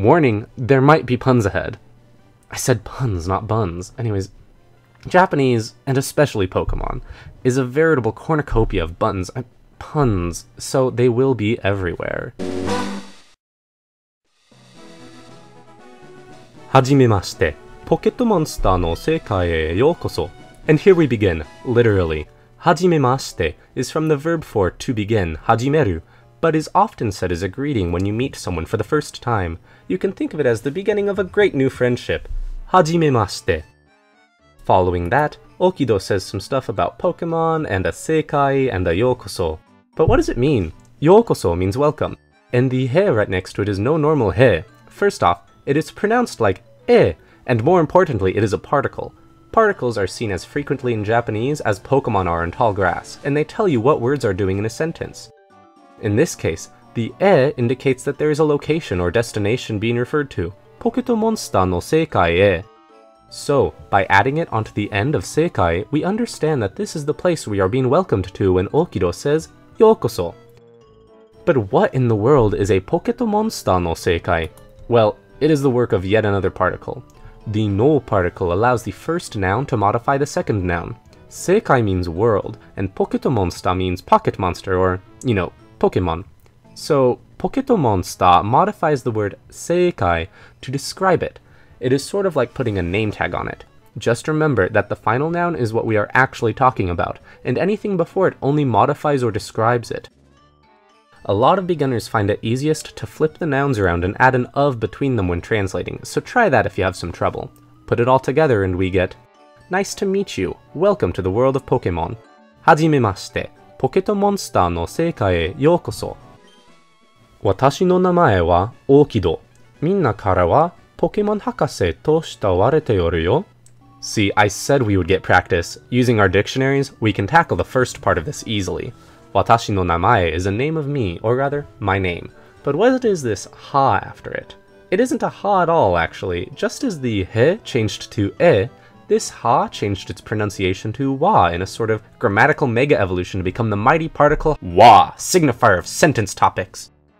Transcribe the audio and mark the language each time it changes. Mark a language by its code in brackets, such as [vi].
[en] Warning, there might be puns ahead. I said puns, not buns. Anyways, Japanese, and especially Pokemon, is a veritable cornucopia of buns, puns, so they will be everywhere. [ja] はじめまして、ポケットモンスターの世界へようこそ。 [en] And here we begin, literally. [ja] はじめまして [en] is from the verb for to begin, [ja] はじめる。 [en] But is often said as a greeting when you meet someone for the first time. You can think of it as the beginning of a great new friendship. [ja] はじめまして。 [en] Following that, Okido says some stuff about Pokemon and a Seikai and a Yokoso. But what does it mean? Yokoso means welcome. And the he right next to it is no normal he. First off, it is pronounced like e, and more importantly, it is a particle. Particles are seen as frequently in Japanese as Pokemon are in tall grass, and they tell you what words are doing in a sentence. In this case, the e indicates that there is a location or destination being referred to. [ja] ポケットモンスターの世界へ。 [en] So, by adding it onto the end of 世界, we understand that this is the place we are being welcomed to when Okido says, [ja] ようこそ。 [en] But what in the world is a [ja] ポケットモンスターの世界? [en] Well, it is the work of yet another particle. The no particle allows the first noun to modify the second noun. 世界 means world, and ポケットモンスター means pocket monster or, you know,Pokemon. So, Pokemon Monster modifies the word Seikai to describe it. It is sort of like putting a name tag on it. Just remember that the final noun is what we are actually talking about, and anything before it only modifies or describes it. A lot of beginners find it easiest to flip the nouns around and add an of between them when translating, so try that if you have some trouble. Put it all together and we get, Nice to meet you. Welcome to the world of Pokemon. [ja] はじめまして。ポケットモンスターの世界へようこそ。私の名前はオーキド。みんなからはポケモン博士と慕われておるよ。 [en] See, I said we would get practice. Using our dictionaries, we can tackle the first part of this easily. [ja] 私の名前 [en] is a name of me, or rather, my name. But what is this ha after it? It isn't a ha at all, actually. Just as the he changed to e,This ha changed its pronunciation to wa in a sort of grammatical mega-evolution to become the mighty particle wa, signifier of sentence topics.